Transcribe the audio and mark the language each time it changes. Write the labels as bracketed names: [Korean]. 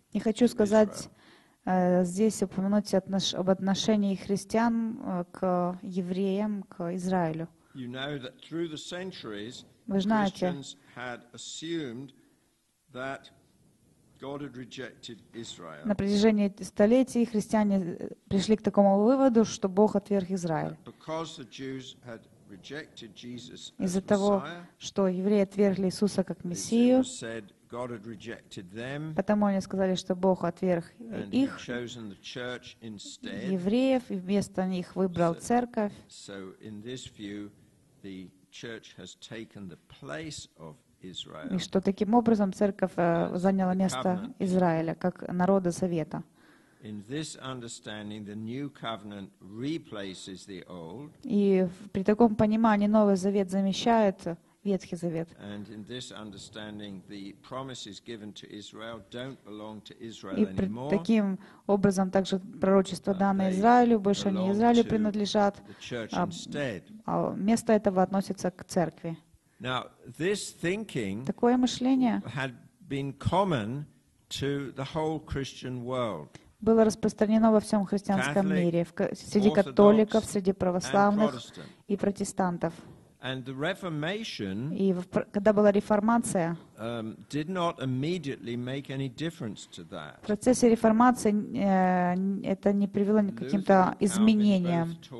[Russian] Я хочу сказать здесь упомянуть об отношении христиан к евреям, к Израилю. [English] You know that through the centuries, Christians had assumed that God had rejected Israel. [Russian] На протяжении столетий христиане пришли к такому выводу, что Бог отверг Израиль. [English] Because the Jews had rejected Jesus as [Russian] Messiah. Из-за того, что евреи отвергли Иисуса как Мессию. [English] Said God had rejected them. [Russian] Потому они сказали, что Бог отверг их. [English] And chosen the church instead. [Russian] Евреев, и вместо них выбрал церковь. [English] So in this view, the church has taken the place of Israel. [Russian] И что таким образом церковь заняла место Израиля как народа завета. [English] In this understanding, the new covenant replaces the old. [Russian] И при таком понимании Новый Завет замещает Ветхий Завет. [English] And in this understanding, the promises given to Israel don't belong to Israel anymore. [Russian] И таким образом также пророчества, данные Израилю, больше не Израилю принадлежат, а место этого относится к церкви. [English] Now, this thinking [Russian] такое мышление [English] had been common to the whole Christian world. [Russian] Было распространено во всем христианском мире, среди католиков, среди православных и протестантов. И когда была реформация, в процессе реформации это не привело ни к каким-то изменениям.